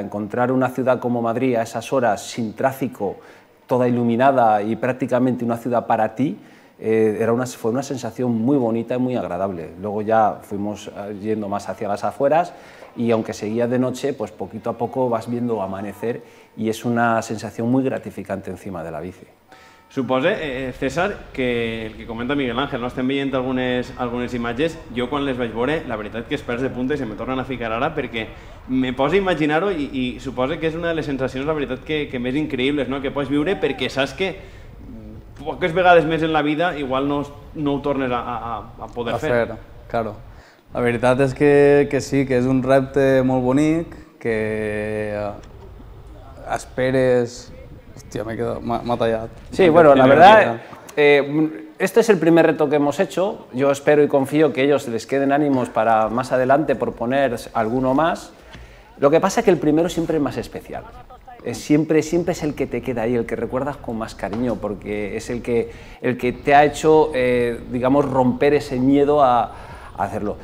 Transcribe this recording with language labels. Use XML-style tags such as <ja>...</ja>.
<es>Encontrar una ciudad como Madrid a esas horas sin tráfico, toda iluminada y prácticamente una ciudad para ti, fue una sensación muy bonita y muy agradable. Luego ya fuimos yendo más hacia las afueras y aunque seguía de noche, pues poquito a poco vas viendo amanecer y es una sensación muy gratificante encima de la bici.</es> <ca>Supose, César, que el que comenta Miguel Ángel, no estén viendo algunas imatges, jo quan les vaig veure, la veritat és que els pèls de punta se me tornen a ficar ara perquè me posa a imaginar-ho i supose que és una de les sensacions, la veritat, que més increïbles, no?, que pots viure perquè saps que poques vegades més en la vida igual no ho tornes a poder fer. Claro. La veritat és que sí, que és un repte molt bonic, que esperes...</ca> <es>Hostia, me ha tallado. Sí, bueno, la verdad, este es el primer reto que hemos hecho. Yo espero y confío que ellos les queden ánimos para más adelante proponer alguno más. Lo que pasa es que el primero siempre es más especial. Siempre es el que te queda ahí, el que recuerdas con más cariño, porque es el que te ha hecho, digamos, romper ese miedo a hacerlo.</es>